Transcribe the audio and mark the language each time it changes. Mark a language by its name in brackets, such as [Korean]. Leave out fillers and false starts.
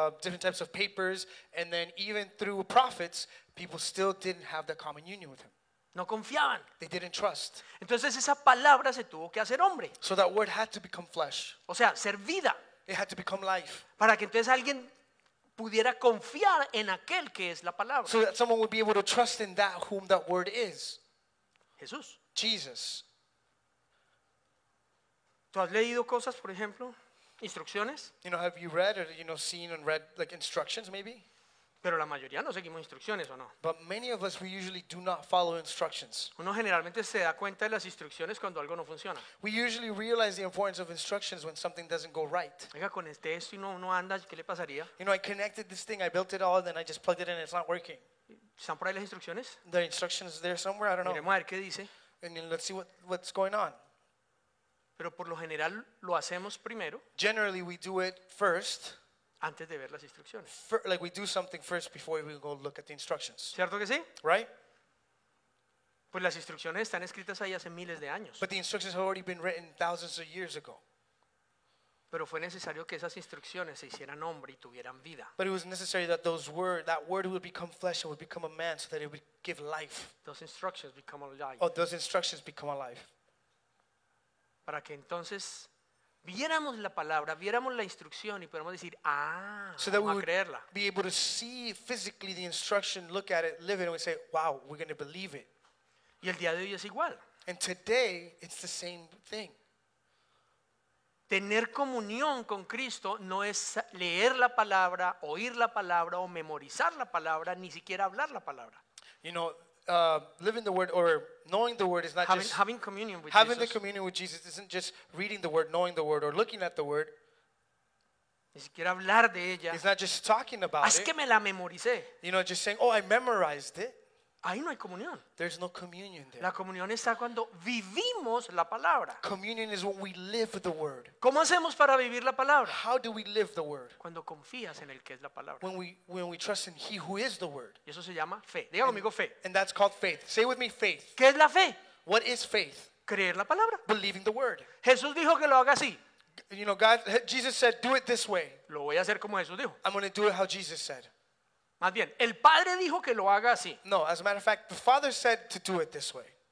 [English] different types of papers, and then even through prophets, people still didn't have the common union with him. [Spanish] No confiaban. [English] They didn't trust. [Spanish] Entonces esa palabra se tuvo que hacer hombre. [English] So that word had to become flesh. [Spanish] O sea, ser vida. [English] It had to become life. [Spanish] Para que entonces alguien pudiera confiar en aquel que es la palabra. [English] So that someone would be able to trust in that whom that word is. [Spanish] Jesús. [English] Jesus. [Spanish] ¿Tú has leído cosas, por ejemplo? Instrucciones. [English] You know, have you read or you know seen and read like instructions maybe? [Spanish] Pero la mayoría no seguimos instrucciones, ¿o no? [English] But many of us, we usually do not follow instructions. [Spanish] Uno generalmente se da cuenta de las instrucciones cuando algo no funciona. [English] We usually realize the importance of instructions when something doesn't go right. [Spanish] Oiga, con este esto y no anda, ¿qué le pasaría? [English] You know, I connected this thing, I built it all, then I just plugged it in, it's not working. [Spanish] ¿Están por ahí las instrucciones? [English] The instructions there somewhere, I don't know. [Spanish] Miremos a ver qué dice. [English] And then let's see what's going on. [Spanish] Pero por lo general lo hacemos primero. [English] Generally, we do it first. [Spanish] Antes de ver las instrucciones. [English] Like we do something first before we go look at the instructions. [Spanish] ¿Cierto que sí? [English] Right? [Spanish] Pues las instrucciones están escritas ahí hace miles de años. [English] But the instructions have already been written thousands of years ago. [Spanish] Pero fue necesario que esas instrucciones se hicieran hombre y tuvieran vida. [English] But it was necessary that that word would become flesh and would become a man so that it would give life. Those instructions become alive. Oh, those instructions become alive. [Spanish] Para que entonces viéramos la palabra, viéramos la instrucción y podemos decir, ah, [English] so that [Spanish] vamos [English] we [Spanish] a creerla. [English] Be able to see physically the instruction, look at it, live it, and we say, wow, we're going to believe it. [Spanish] Y el día de hoy es igual. [English] And today, it's the same thing. [Spanish] Tener comunión con Cristo no es leer la palabra, oír la palabra, o memorizar la palabra, ni siquiera hablar la palabra. [English] You know, living the word or knowing the word is not having, just having communion with having Jesus. The communion with Jesus isn't just reading the word, knowing the word, or looking at the word. [Spanish] Ni siquiera hablar de ella. [English] It's not just talking about Haz it. [Spanish] Que me la memoricé. [English] You know, just saying, oh, I memorized it. [Spanish] Ahí no hay comunión. [English] There's no communion there. [Spanish] La comunión está cuando vivimos la palabra. [English] Communion is when we live the word. [Spanish] ¿Cómo hacemos para vivir la palabra? [English] How do we live the word? [Spanish] Cuando confías en el que es la palabra. [English] When we trust in He who is the word. [Spanish] Y eso se llama fe. Diga conmigo fe. [English] And that's called faith. Say with me faith. [Spanish] ¿Qué es la fe? [English] What is faith? [Spanish] Creer la palabra. [English] Believing the word. [Spanish] Jesús dijo que lo haga así. [English] You know, God, Jesus said, do it this way. [Spanish] Lo voy a hacer como Jesús dijo. [English] I'm going to do it how Jesus said. [Spanish] Más bien, el Padre dijo que lo haga así. [English] No, as a matter of fact, the Father said to do it this way.